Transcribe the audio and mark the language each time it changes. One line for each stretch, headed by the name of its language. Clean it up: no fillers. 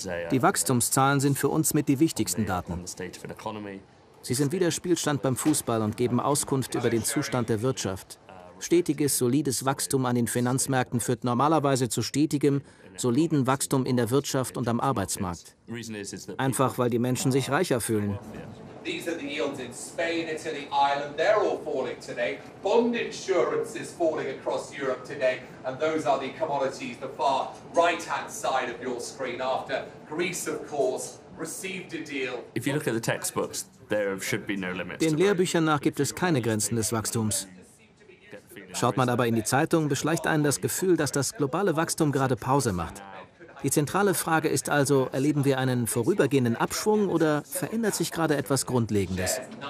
German: Die Wachstumszahlen sind für uns mit die wichtigsten Daten. Sie sind wie der Spielstand beim Fußball und geben Auskunft über den Zustand der Wirtschaft. Stetiges, solides Wachstum an den Finanzmärkten führt normalerweise zu stetigem, soliden Wachstum in der Wirtschaft und am Arbeitsmarkt. Einfach, weil die Menschen sich reicher fühlen.
English: These are the yields in Spain, Italy, Ireland. They're all falling today. Bond insurance is falling across Europe today. And those are the commodities, the far right-hand side of your screen after Greece, of course, received a deal. If you look at the textbooks, there should be no limits.
German: Den Lehrbüchern nach gibt es keine Grenzen des Wachstums. Schaut man aber in die Zeitung, beschleicht einen das Gefühl, dass das globale Wachstum gerade Pause macht. Die zentrale Frage ist also, erleben wir einen vorübergehenden Abschwung oder verändert sich gerade etwas Grundlegendes?